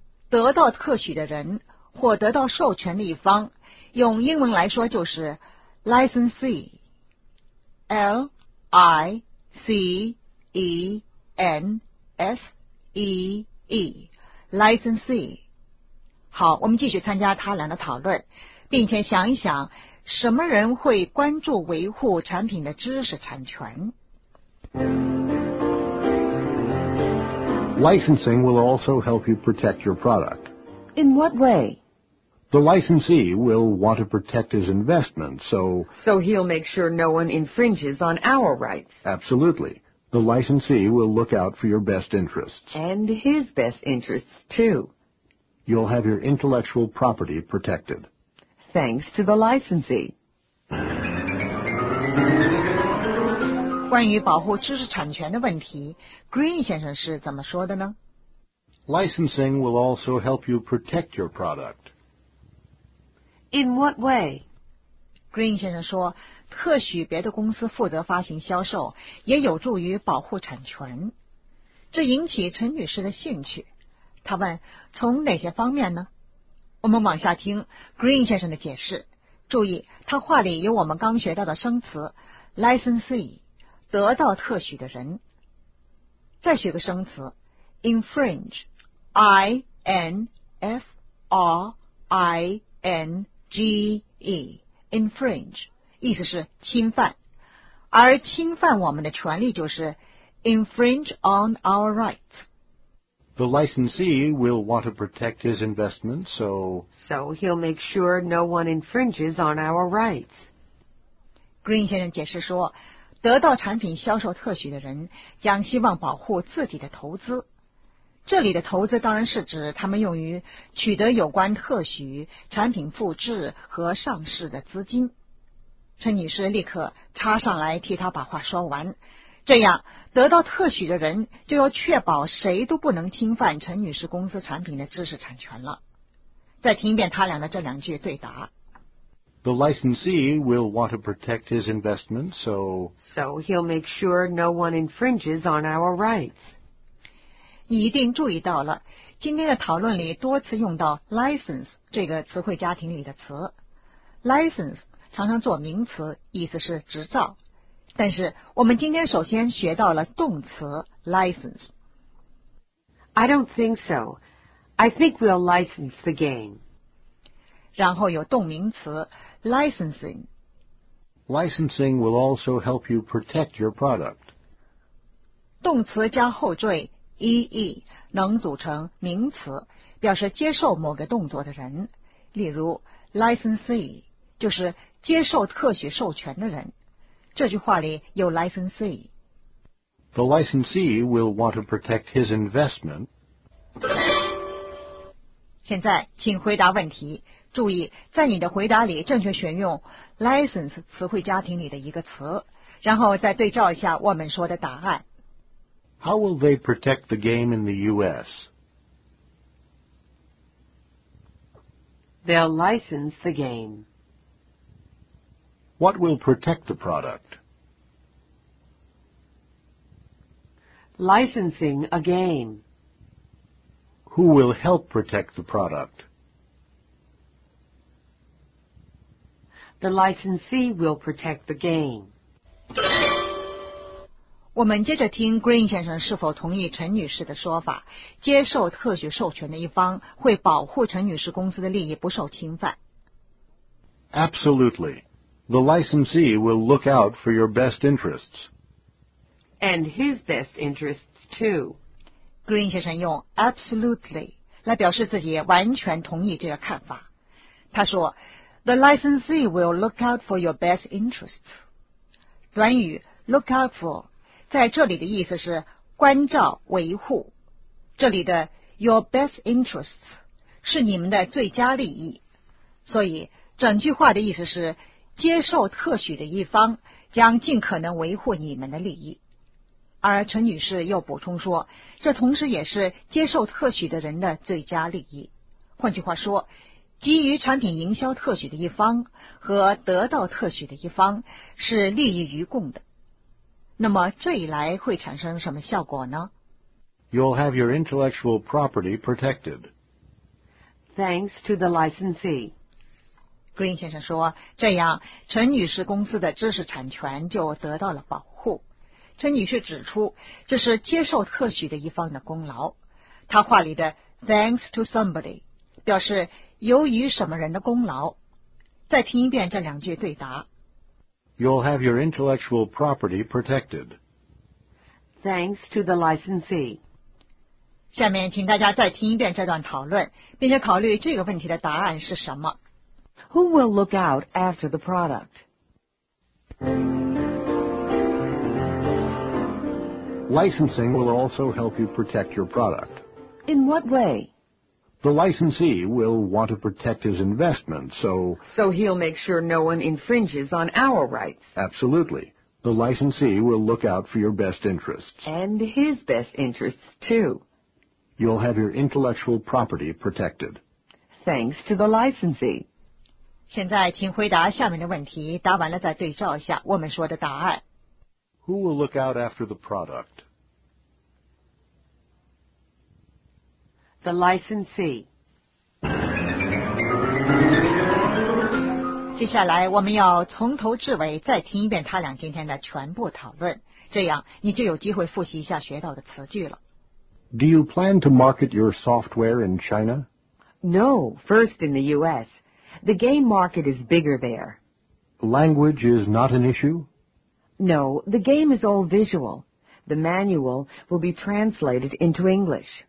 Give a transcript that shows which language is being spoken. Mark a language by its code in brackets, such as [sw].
[zh] 得到特许的人或得到授权的一方，用英文来说就是 licensee， L-I-C-E-N-S-E-E， [en] licensee。 [zh] 好，我们继续参加他俩的讨论，并且想一想什么人会关注维护产品的知识产权。 [en] Licensing will also help you protect your product. In what way? The licensee will want to protect his investment, so... So he'll make sure no one infringes on our rights. Absolutely. The licensee will look out for your best interests. And his best interests, too. You'll have your intellectual property protected. Thanks to the licensee. [zh] 关于保护知识产权的问题， Green 先生是怎么说的呢？ [en] Licensing will also help you protect your product. In what way? [zh] Green 先生说，特许别的公司负责发行销售，也有助于保护产权。这引起陈女士的兴趣，她问，从哪些方面呢？我们往下听 Green 先生的解释。注意，他话里有我们刚学到的生词 licensee， 得到特许的人。再学个生词 infringe， I-N-F-R-I-N-G-E， infringe 意思是侵犯，而侵犯我们的权利就是 infringe on our rights。 [en] The licensee will want to protect his investment, so... So he'll make sure no one infringes on our rights. [zh] Green 先生解释说，得到产品销售特许的人将希望保护自己的投资。这里的投资当然是指他们用于取得有关特许、产品复制和上市的资金。陈女士立刻插上来替他把话说完。这样，得到特许的人就要确保谁都不能侵犯陈女士公司产品的知识产权了。再听一遍他俩的这两句对答。 [en] The licensee will want to protect his investment, so... So he'll make sure no one infringes on our rights. [zh] 你一定注意到了，今天的讨论里多次用到 license 这个词汇家庭里的词。 License 常常做名词，意思是执照。但是我们今天首先学到了动词 license。 [en] I don't think so. I think we'll license the game. [zh] 然后有动名词 licensing。 [en] Licensing will also help you protect your product. [zh] 动词加后缀 ee 能组成名词，表示接受某个动作的人。例如 licensee 就是接受特许授权的人。这句话里有 licensee。 [en] The licensee will want to protect his investment。 [zh] 现在请回答问题，注意在你的回答里正确选用 license 词汇家庭里的一个词，然后再对照一下我们说的答案。 [en] How will they protect the game in the US? They'll license the game。 What will protect the product? Licensing a game. Who will help protect the product? The licensee will protect the game. [zh] 我们接着听 Green 先生是否同意陈女士的说法，接受特许授权的一方会保护陈女士公司的利益不受侵犯。 [en] Absolutely. The licensee will look out for your best interests. And his best interests, too. [zh] Green 先生用 absolutely 来表示自己完全同意这个看法。他说 [en] ,The licensee will look out for your best interests. [zh] 短语 look out for 在这里的意思是关照、维护。这里的 your best interests 是你们的最佳利益。所以整句话的意思是接受特许的一方将尽可能维护你们的利益。而陈女士又补充说，这同时也是接受特许的人的最佳利益。换句话说，基于产品营销特许的一方和得到特许的一方是利益于共的。那么这一来会产生什么效果呢？ [en] You'll have your intellectual property protected. Thanks to the licensee. [zh] Green 先生说，这样陈女士公司的知识产权就得到了保护。陈女士指出，这是接受特许的一方的功劳。她话里的 [en] thanks to somebody [zh] 表示由于什么人的功劳。再听一遍这两句对答。 [en] You'll have your intellectual property protected. Thanks to the licensee. [zh] 下面请大家再听一遍这段讨论，并且考虑这个问题的答案是什么。 [en] Who will look out after the product? Licensing will also help you protect your product. In what way? The licensee will want to protect his investment, so... So he'll make sure no one infringes on our rights. Absolutely. The licensee will look out for your best interests. And his best interests, too. You'll have your intellectual property protected. Thanks to the licensee. [zh] 现在请回答下面的问题，答完了再对照一下我们说的答案。 [en] Who will look out after the product? The licensee. [zh] 接下来我们要从头至尾再听一遍他俩今天的全部讨论，这样你就有机会复习一下学到的词句了。 [en] Do you plan to market your software in China? No, first in the U.S. The game market is bigger there. Language is not an issue? No, the game is all visual. The manual will be translated into English.